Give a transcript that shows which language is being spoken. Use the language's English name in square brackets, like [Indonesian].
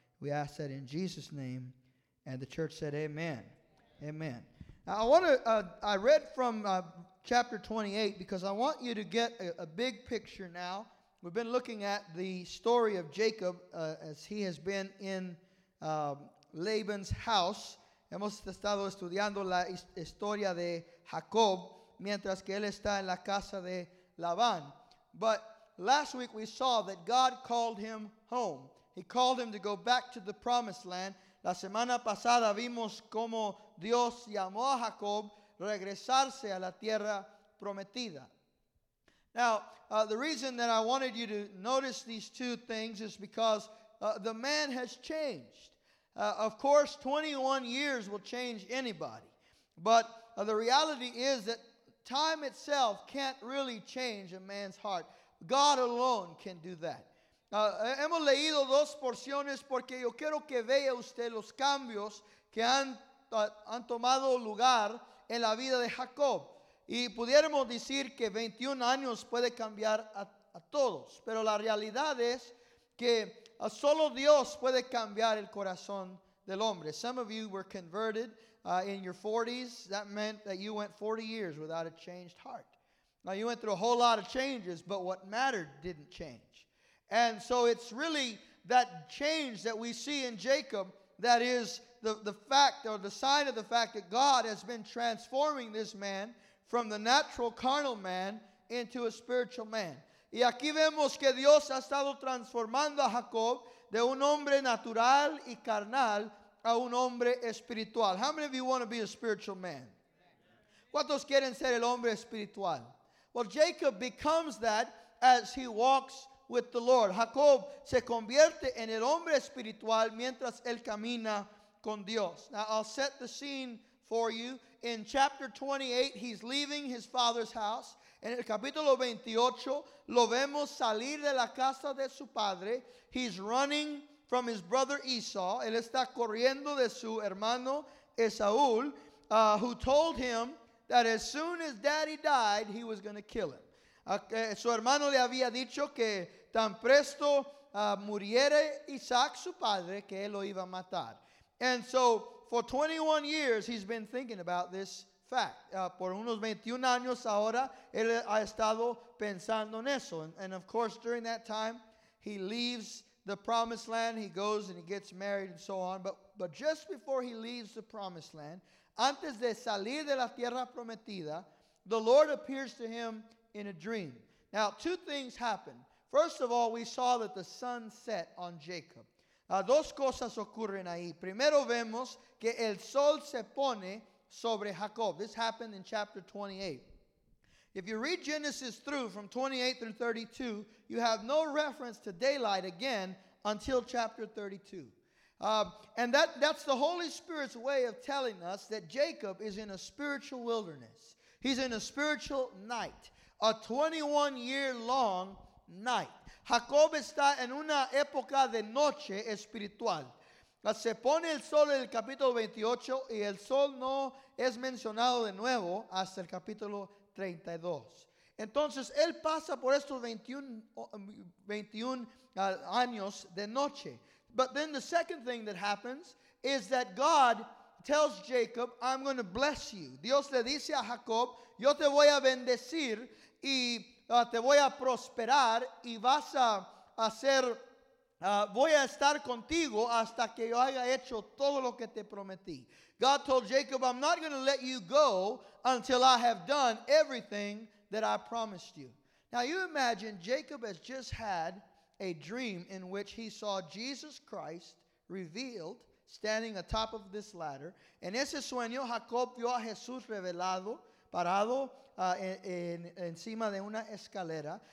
[English] We ask that in Jesus' name. And the church said amen. Amen. Now I want to. I read from chapter 28 because I want you to get a big picture. Now we've been looking at the story of Jacob as he has been in Laban's house. [Spanish] Hemos estado estudiando la historia de Jacob mientras que él está en la casa de Labán. [English] But last week we saw that God called him home. He called him to go back to the promised land. [Spanish] La semana pasada vimos cómo Dios llamó a Jacob regresarse a la tierra prometida. [English] Now, the reason that I wanted you to notice these two things is because the man has changed. Of course, 21 years will change anybody. But the reality is that time itself can't really change a man's heart. God alone can do that. [Spanish] Hemos leído dos porciones porque yo quiero que vea usted los cambios que han tomado lugar en la vida de Jacob. Y pudiéramos decir que 21 años puede cambiar a todos. Pero la realidad es que solo Dios puede cambiar el corazón del hombre. [English] Some of you were converted in your 40s. That meant that you went 40 years without a changed heart. Now you went through a whole lot of changes, but what mattered didn't change. And so it's really that change that we see in Jacob that is the fact or the sign of the fact that God has been transforming this man from the natural carnal man into a spiritual man. [Spanish] Y aquí vemos que Dios ha estado transformando a Jacob de un hombre natural y carnal a un hombre espiritual. [English] How many of you want to be a spiritual man? [Spanish] ¿Cuántos quieren ser el hombre espiritual? [English] Well, Jacob becomes that as he walks with the Lord. [Spanish] Jacob se convierte en el hombre espiritual mientras él camina con Dios. [English] Now I'll set the scene for you. In chapter 28, he's leaving his father's house. [Spanish] En el capítulo 28, lo vemos salir de la casa de su padre. [English] He's running from his brother Esau. [Spanish] Él está corriendo de su hermano Esaú, [English] who told him that as soon as daddy died, he was going to kill him. [Spanish] Su hermano le había dicho que tan presto muriere Isaac, su padre, que él lo iba a matar. [English] And so for 21 years, he's been thinking about this fact. [Spanish] Por unos 21 años ahora, él ha estado pensando en eso. [English] And of course, during that time, he leaves the promised land. He goes and he gets married and so on. But just before he leaves the promised land, [Spanish] antes de salir de la tierra prometida, [English] the Lord appears to him in a dream. Now, two things happen. First of all, we saw that the sun set on Jacob. [Spanish] Dos cosas ocurren ahí. Primero vemos que el sol se pone sobre Jacob. [English] This happened in chapter 28. If you read Genesis through from 28 through 32, you have no reference to daylight again until chapter 32. And that's the Holy Spirit's way of telling us that Jacob is in a spiritual wilderness. He's in a spiritual night, a 21-year-long night. [Spanish] Jacob está en una época de noche espiritual. Se pone el sol en el capítulo 28 y el sol no es mencionado de nuevo hasta el capítulo 32. Entonces, él pasa por estos 21 años de noche. [English] But then the second thing that happens is that God tells Jacob, I'm going to bless you. [Spanish] Dios le dice a Jacob, yo te voy a bendecir y te voy a prosperar y vas a hacer, voy a estar contigo hasta que yo haya hecho todo lo que te prometí. [English] God told Jacob, I'm not going to let you go until I have done everything that I promised you. Now you imagine Jacob has just had a dream in which he saw Jesus Christ revealed standing atop of this ladder. [Spanish] En ese sueño, Jacob vio a Jesús revelado, parado encima de una escalera.